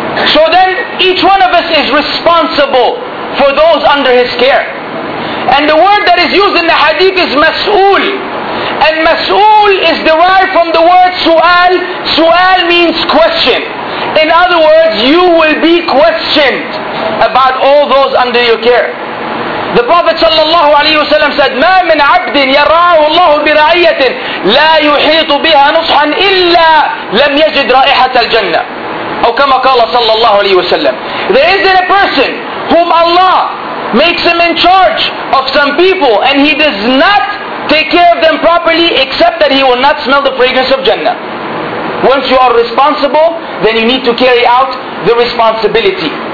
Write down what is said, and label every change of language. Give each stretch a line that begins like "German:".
English: So then, each one of us is responsible for those under his care. And the word that is used in the hadith is mas'ul. And mas'ul is derived from the word su'al. Su'al means question. In other words, you will be questioned about all those under your care. The Prophet sallallahu alayhi wa sallam said,
Arabic: مَا مِنْ عَبْدٍ يَرَاهُ اللَّهُ بِرَعِيَّةٍ لَا يُحِيطُ بِهَا نُصْحًا إِلَّا لَمْ يَجِدْ رَائِحَةَ الْجَنَّةِ أو كما قال صلى الله عليه وسلم.
English: There isn't a person whom Allah makes him in charge of some people and he does not take care of them properly, except that he will not smell the fragrance of Jannah. Once you are responsible, then you need to carry out the responsibility.